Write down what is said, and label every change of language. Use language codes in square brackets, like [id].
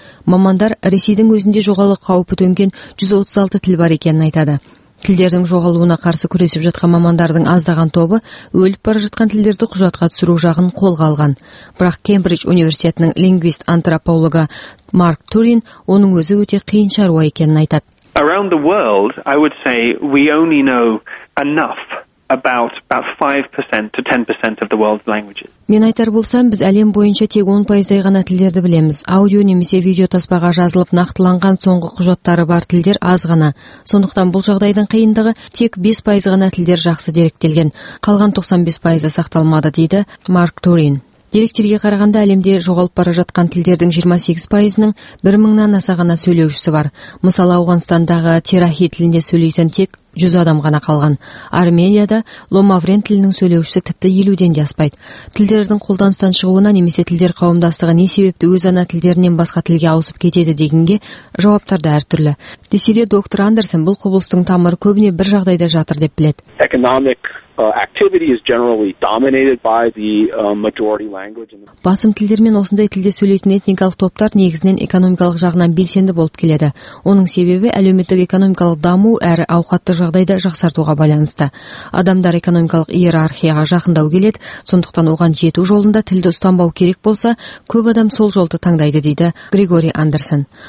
[kk] Мамандар Ресейдің өзінде жоғалу қаупі төнген 136 тіл бар екенін айтады. Тілдердің жоғалуына қарсы күресіп жатқан мамандардың аздаған тобы өліп бара жатқан тілдерді құжатқа түсіру жағын қолға алған. Бірақ Кембридж университетінің лингвист-антропологы Марк Турин оның өзі өте қиын шаруа екенін айтады. [en] Around the world, I would say we only know enough about 5% to 10% of the world's languages. [kk] Мен айтар болсам, біз әлем бойынша тек 10%-ай ғана тілдерді білеміз. Аудио немесе видео таспаға жазылып нақтыланған соңғы құжаттары бар тілдер аз ғана. Сондықтан бұл жағдайдың қиындығы тек 5% ғана тілдер жақсы деректелген. Қалған 95% сақталмады дейді Марк Турин. Деректерге қарағанда әлемде жоғалып бара жатқан тілдердің 28%-ның 1000-нан аса ғана сөйлеушісі бар. Мысалы, Ауғанстандағы терахи тілінде сөйлейтін тек 100 адам ғана қалған. Арменияда ломаврен тілінің сөйлеушісі тіпті 50-ден де аспайды. Тілдердің қолданыстан шығуына немесе тілдер қауымдастығы не себепті өз ана тілдерінен басқа тілге ауысып кетеді дегенге жауаптар да әртүрлі. Десе де доктор Андерсон бұл құбылыстың тамыры көбіне бір жағдайда жатыр деп біледі. [en] Activity is generally dominated by the majority language. [kk] Басым тілдер мен осындай тілде сөйлейтін этникалық топтар негізінен экономикалық жағынан белсенді болып келеді. Оның себебі әлеуметтік экономикалық даму әрі ауқатты жағдайды жақсартуға байланысты. Адамдар экономикалық иерархияға жақындау келеді, сондықтан оған жету жолында тілді ұстанбау керек болса, көп адам сол жолды таңдайды дейді Григорий Андерсон.